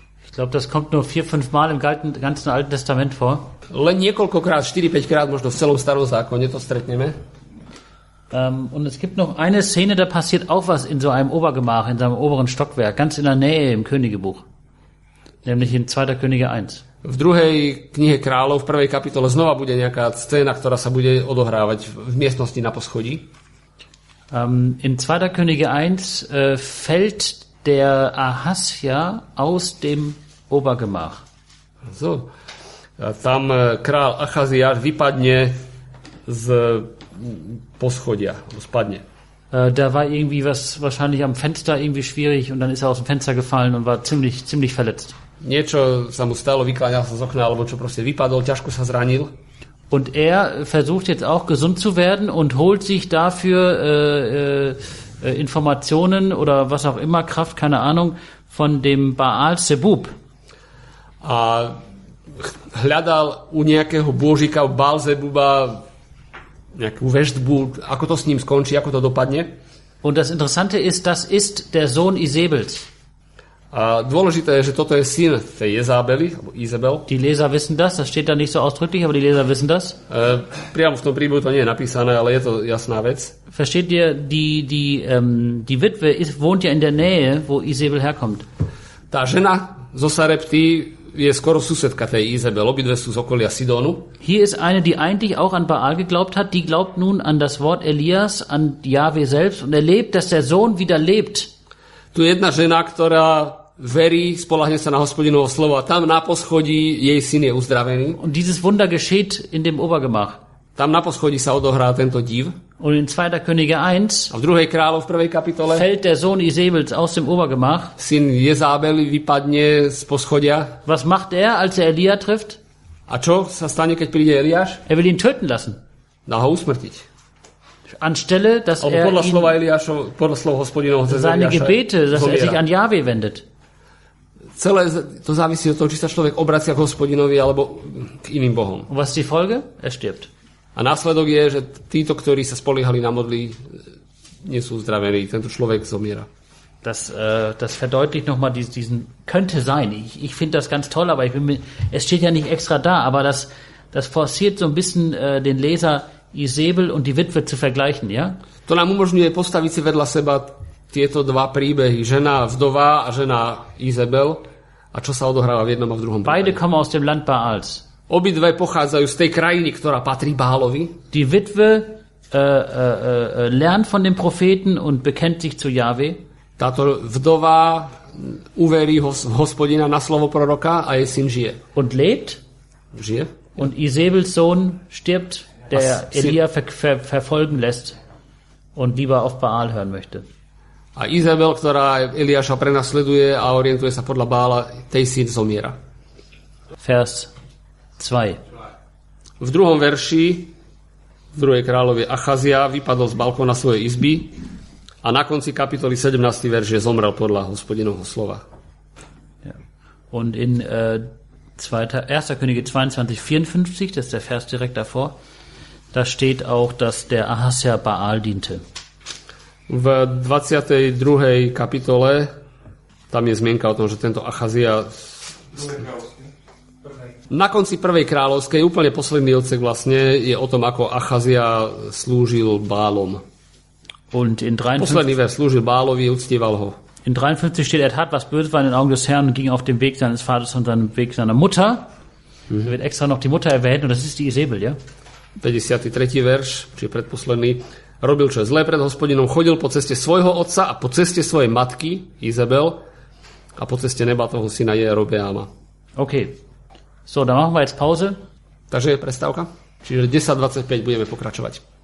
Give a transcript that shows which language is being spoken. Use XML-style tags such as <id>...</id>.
<de>Ich glaube, das kommt nur 4-5 Mal im ganzen Alten Testament vor.</de> <sk>Len niekoľkokrát, 4-5 krát možno v celom starom zákone to stretneme.</sk> <de>Und es gibt noch eine Szene, da passiert auch was in so einem Obergemach, in seinem oberen Stockwerk, ganz in der Nähe im Königebuch. Nämlich in 2. Könige 1.</de> <sk>V druhej knihe kráľov, v prvej kapitole znova bude nejaká scéna, ktorá sa bude odohrávať v miestnosti na poschodí.</sk> <de>In 2. Könige 1 fällt der Ahasja aus dem Obergemach.</de> <sk>So. Tam král Achaziáš vypadne z poschodia, spadne.</sk> <de>Da war irgendwie was wahrscheinlich am Fenster irgendwie schwierig und dann ist er aus dem Fenster gefallen und war ziemlich verletzt.</de> <sk>Niečo sa mu stalo, vykláňal sa z okna alebo čo proste vypadol, ťažko sa zranil.</sk> <de>Und er versucht jetzt auch gesund zu werden und holt sich dafür Informationen oder was auch immer, Kraft, keine Ahnung, von dem Baal Zebub.</de> <sk>A hľadal u nejakého božika, u Baal Zebuba, nejakú veštbu, ako to s ním skončí, ako to dopadne.</sk> <de>Und das Interessante ist, das ist der Sohn Isebels.</de> <sk>A dôležité je, že toto je syn tej Jezabely, alebo Izabel.</sk> <de>Die Leser wissen das, das steht da nicht so ausdrücklich, aber die Leser wissen das.</de> <sk>Priamo v tom príbehu to nie je napísané, ale je to jasná vec.</sk> <de>Versteht ihr, die Witwe wohnt ja in der Nähe, wo Izabel herkommt.</de> <sk>Tá žena zo Sarepty je skoro susedka tej Izabel, obidve sú z okolia Sidonu.</sk> <de>Hier ist eine, die eigentlich auch an Baal geglaubt hat, die glaubt nun an das Wort Elias, an Yahweh selbst und erlebt, dass der Sohn wieder lebt.</de> <sk>Tu je jedna žena, ktorá verí, spoľahne sa na Hospodinovo slovo a tam na poschodí jej syn je uzdravený.</sk> <de>Und dieses Wunder geschieht in dem Obergemach.</de> <sk>Tam na poschodí sa odohrá tento div.</sk> <de>Und in 2. Könige 1</de> <sk>a v druhej kráľov, v prvej kapitole</sk> <de>fällt der Sohn Isebels aus dem Obergemach.</de> <sk>Syn Jezábeli vypadne z poschodia.</sk> <de>Was macht er, als er Elia trifft?</de> <sk>A čo sa stane, keď príde Eliáš?</sk> <de>Er will ihn töten lassen.</de> <sk>Dá ho usmrtiť.</sk> <de>Anstelle, dass er</de> <sk>podľa slova Eliáša, podľa slova Hospodinovho</sk> <de>seine Eliáša, gebete, dass er sich an Jahwe wendet.</de> <sk>Celé to závisí od toho, či sa človek obracia k Hospodinovi alebo k iným bohom.</sk> <de>Und was die Folge? Er stirbt.</de> <sk>A následok je, že títo, ktorí sa spoliehali na modli, nie sú uzdravení. Tento človek zomiera.</sk> <de>Das verdeutlicht nochmal diesen könnte sein. Ich finde das ganz toll, aber es steht ja nicht extra da, aber das forciert so ein bisschen den Leser Isabel und die Witwe zu vergleichen, ja?</de> <sk>To nám umožňuje postaviť si vedľa seba tieto dva príbehy, žena vdova a žena Isabel, a čo sa odohráva v jednom a v druhom príbehu.</sk> <de>Beide kommen aus dem Land Baals.</de> <sk>Obidve pochádzajú z tej krajiny, ktorá patrí Baalovi.</sk> <de>Die Witwe lernt von dem Propheten und bekennt sich zu Jahwe.</de> <sk>Táto vdova uverí Hospodina na slovo proroka a jej syn žije.</sk> <de>Und lebt?</de> <sk>Žije.</sk> <de>Und Isabels Sohn stirbt, der Elia verfolgen lässt und lieber auf Baal hören möchte.</de> <sk>A Isabel, ktorá Eliáša prenasleduje a orientuje sa podľa Baala, tej syn zomiera.</sk> <de>Vers 2.</de> <sk>V druhom verši v druhej kráľovej Achazia vypadol z balkóna svojej izby a na konci kapitoly 17. verš je zomrel podľa Hospodinovho slova.</sk> <de>Yeah. Und in 1. Könige 22:54, das ist der Vers direkt davor, da steht auch, dass der Ahasja Baal diente.</de> <sk>V 22. kapitole tam je zmienka o tom, že tento Achazia na konci prvej kráľovskej, úplne posledný odsek vlastne, je o tom, ako Achazia slúžil Baalom.</sk> <de>Und in 53,</de> <sk>posledný vers, slúžil Baalovi, uctieval ho.</sk> <de>In 53 steht, er tat, was böse war in den Augen des Herrn und ging auf dem Weg seines Vaters und seinem Weg seiner Mutter. Mhm. Da wird extra noch die Mutter erwähnt und das ist die Isabel, ja?</de> <sk>53. verš, čiže predposledný, robil čo je zlé pred Hospodinom, chodil po ceste svojho otca a po ceste svojej matky, Isabel, a po ceste neba toho syna Jerobeáma. OK.</sk> <de>So, dann machen wir jetzt Pause.</de> <sk>Takže je prestávka. Čiže 10:25 budeme pokračovať.</sk>